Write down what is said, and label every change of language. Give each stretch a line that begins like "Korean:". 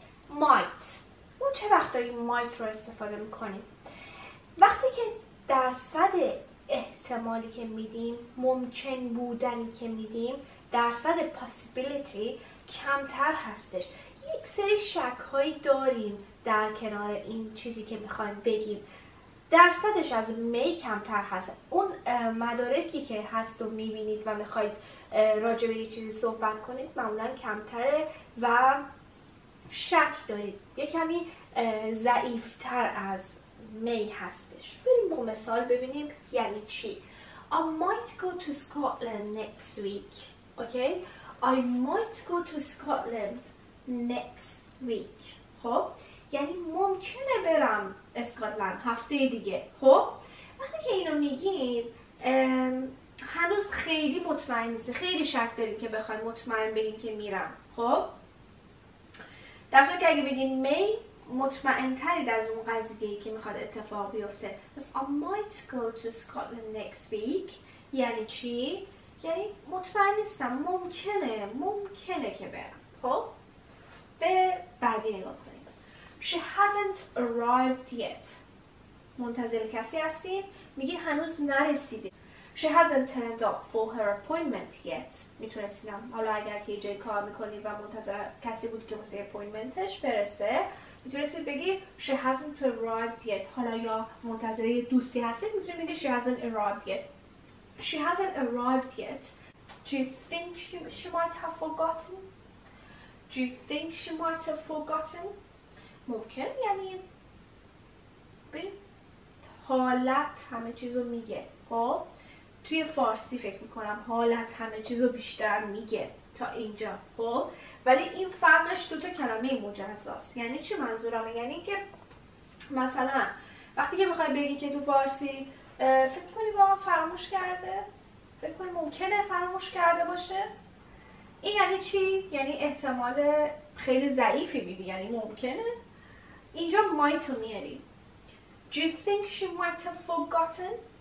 Persian: ما چه وقت داریم might رو استفاده میکنیم وقتی که درصد احتمالی که میدیم ممکن بودنی که میدیم درصد possibility کمتر هستش یک سری شک هایی داریم در کنار این چیزی که میخوایم بگیم درصدش از می کمتر هست اون مدارکی که هست و میبینید و میخواید راجع به یک چیزی صحبت کنید معمولا کمتره و شک دارید یک کمی ضعیفتر از می هستش بریم با مثال ببینیم یعنی چی
English: I might go to Scotland next week okay? I might go to Scotland next week.
Persian: خب؟ یعنی ممکنه برم اسکاتلند هفته دیگه. خب؟ وقتی که اینو میگید هنوز خیلی مطمئن نیستی، خیلی شک داریم که بخوای مطمئن بگیم که میرم. خب؟ در صورت که اگه بگید می مطمئن ترید از اون قضیه که میخواد اتفاق بیفته. پس
English: I might go to Scotland next week
Persian: یعنی چی؟ یعنی مطمئن نیستم، ممکنه که برم. خب؟ به بعدی نگاه کنیم.
English: She hasn't arrived yet.
Persian: منتظر کسی هستیم؟ میگه هنوز نرسیده.
English: She hasn't turned up for her appointment yet.
Persian: میتونستیم. حالا اگر که جای کار میکنی و منتظر کسی بود که واسه اپوینتمنتش برسه، میتونستی بگی
English: She hasn't arrived yet.
Persian: حالا یا منتظر یه دوستی هستی، میتونی بگی
English: She hasn't arrived yet. She hasn't arrived yet. Do you think she might have forgotten? Do you think she might have forgotten?
Persian: ممکن یعنی حالت همه چیزو میگه. خب توی فارسی فکر میکنم حالت همه چیزو بیشتر میگه تا اینجا. خب ولی این فرقش دوتا کلمه مجزاست. یعنی چی منظورمه؟ یعنی که مثلا وقتی که میخوای بگی که تو فارسی فکر کنی واقعا فراموش کرده، فکر کنی ممکنه فراموش کرده باشه، این یعنی چی؟ یعنی احتمال خیلی ضعیفی میدی، یعنی ممکنه. اینجا might رو میاری.
English: Do you think she might have forgotten?